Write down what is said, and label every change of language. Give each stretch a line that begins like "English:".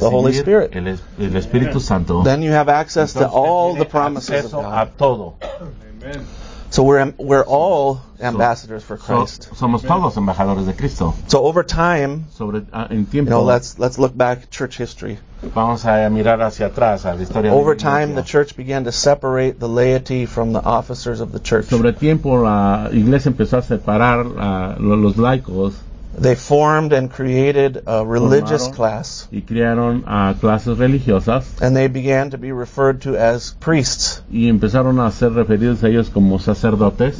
English: the Holy Spirit.
Spanish: El Espíritu Santo.
English: Then you have access
Spanish: entonces,
English: to all the promises of God.
Spanish: A todo.
English: So we're all ambassadors for Christ.
Spanish: Somos todos embajadores de Cristo.
English: So over time,
Spanish: sobre, en tiempo,
English: you know, let's look back at church history.
Spanish: Vamos a mirar hacia atrás, a la historia
English: over
Spanish: de
English: time, the church began to separate the laity from the officers of the church.
Spanish: Sobre tiempo, la iglesia empezó a separar los laicos.
English: They formed and created a religious class.
Spanish: Y crearon clases religiosas.
English: And they began to be referred to as priests.
Spanish: Y empezaron a ser referidos a ellos como sacerdotes.